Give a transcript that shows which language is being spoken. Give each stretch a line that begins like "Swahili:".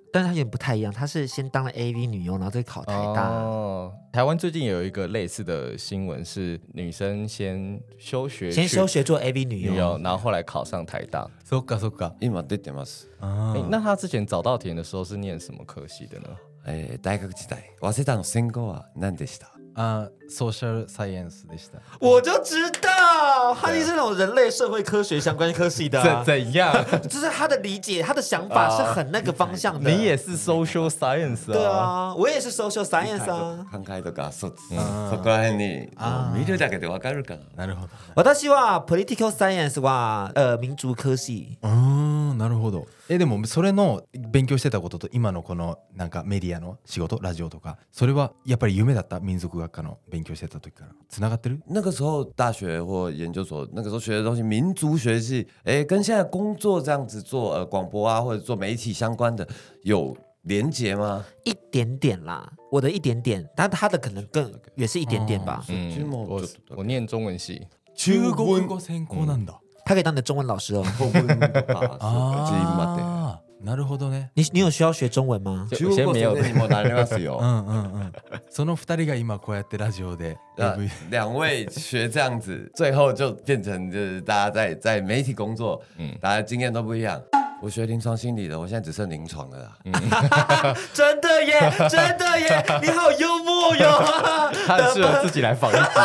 Chinese: 但是他有点不太一样，他是先当了 AV 女优，然后再考台大。台湾最近有一个类似的新闻，是女生先休学，先休学做 AV 女优，然后后来考上台大。
Japanese: そっかそっか。今出てます。
Chinese: 那他之前早稻田的时候是念什么科系的呢？
Japanese: 大学時代、早稻田の専攻は何でした？ソーシャルサイエンスでした。
Chinese: 我就知道，他是这种人类社会科学相关科系的、啊。怎样？就是他的理解，他的想法是很那个方向的。你也是
English: social science
Chinese: 啊？对啊，我也是
English: social science
Chinese: 啊。
Japanese: 考えとか、そっち、そこら辺に、見るだけでわかるか。なるほど。私は
English: political science
Japanese: は、民族科系。なるほど。でもそれの勉強してたことと今のこのなんかメディアの仕事、ラジオとか、それはやっぱり夢だった、民族学科の勉強してた時からつながってる？
Chinese: 那个时候大学或研究所，那个时候学的东西民族学系，跟现在工作这样子做广播啊或者做媒体相关的有连结吗？一点点啦，我的一点点，但他的可能更也是一点点吧。我念中文系，
Japanese: 中文科専攻なんだ。
Chinese: 他可以当你的中文老师哦。啊，这一码的。
Japanese: なるほどね。
Chinese: 你有需要学中文吗？中国没有，你莫打扰死哟。嗯嗯嗯。
Japanese: その二人が今こうやってラジオで、
Chinese: 两位学这样子，最后就变成就是大家在媒体工作，大家经验都不一样。我学临床心理的，我现在只剩临床了啦。真的耶，真的耶，你好幽默哟。他很适合自己来访一集。